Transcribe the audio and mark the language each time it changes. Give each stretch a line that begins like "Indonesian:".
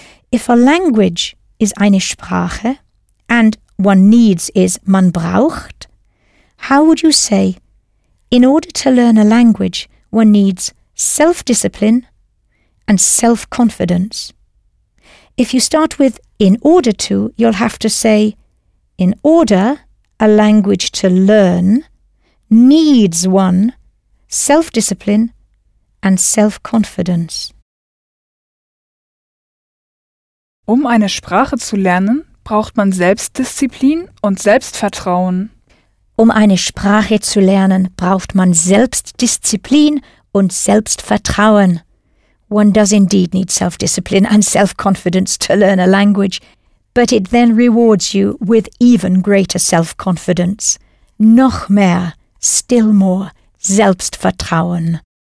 English: If a language is eine Sprache and one needs is man braucht, how would you say, in order to learn a language, one needs self-discipline and self-confidence? If you start with in order to, you'll have to say, in order a language to learn, needs one self-discipline and self-confidence.
German: Um eine Sprache zu lernen, braucht man Selbstdisziplin und Selbstvertrauen. Um eine Sprache zu lernen, braucht man Selbstdisziplin und Selbstvertrauen.
English: One does indeed need self-discipline and self-confidence to learn a language, but it then rewards you with even greater self-confidence.
German: Noch mehr,
English: still more, Selbstvertrauen.